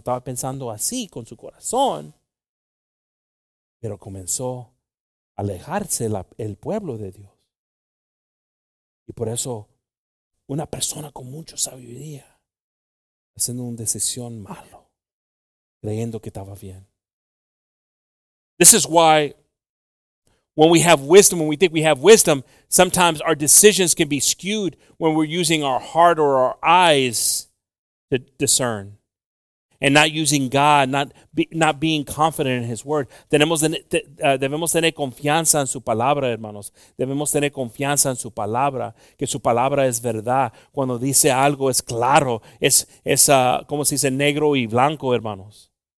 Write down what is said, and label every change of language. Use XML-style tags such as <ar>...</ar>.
<es>Estaba pensando así con su corazón. Pero comenzó a alejarse el pueblo de Dios. Y por eso, una persona con mucha sabiduría, haciendo una decisión malo, creyendo que estaba bien.</es> <en>This is why, when we have wisdom, when we think we have wisdom, sometimes our decisions can be skewed when we're using our heart or our eyes to discern. And not using God, not being confident in His word.</en> <es>Debemos tener confianza en su palabra, hermanos. Debemos tener confianza en su palabra, que su palabra es verdad. Cuando dice algo es claro, como se dice, negro y blanco, hermanos.</es>